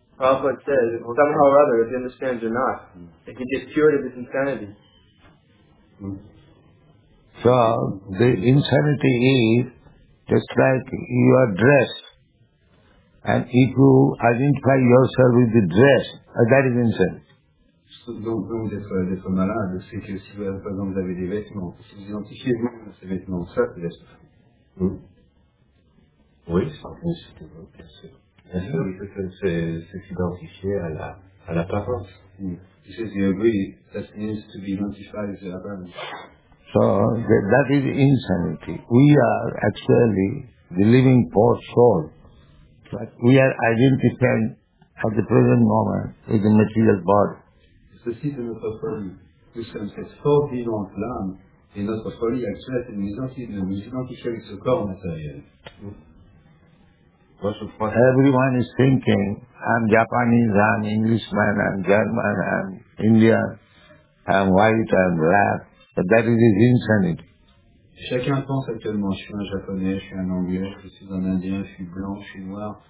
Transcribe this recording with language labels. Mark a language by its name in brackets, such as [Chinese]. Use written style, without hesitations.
[English] Prabhupada says, well, somehow or other, if he understands or not, if he gets cured of his insanity. So the insanity is just like you are dressed. And if you identify yourself with the dress, that is insanity. [French] Donc d'être malade, c'est que si vous, par exemple, vous avez des vêtements, si vous identifiez vous-même ces vêtements, ça, c'est la souffrance. Oui, c'est bien sûr. Bien sûr, il faut c'est s'identifier à l'apparence. [English] He says he agrees, that means to be identified as the apparence. So, that is insanity. We are actually the living poor soul. But we are identifying at the present moment with the material body. [French] Ceci de notre folie. Nous sommes cette fort vivante l'âme, et notre folie actuelle, c'est de nous identifier avec ce corps matériel. [English] Everyone is thinking, I'm Japanese, I'm Englishman, I'm German, I'm Indian, I'm white, I'm black, but that is his insanity. [French] Chacun pense actuellement, je suis un Japonais, je suis un Anglais, je suis un Indien, je suis blanc, je suis noir.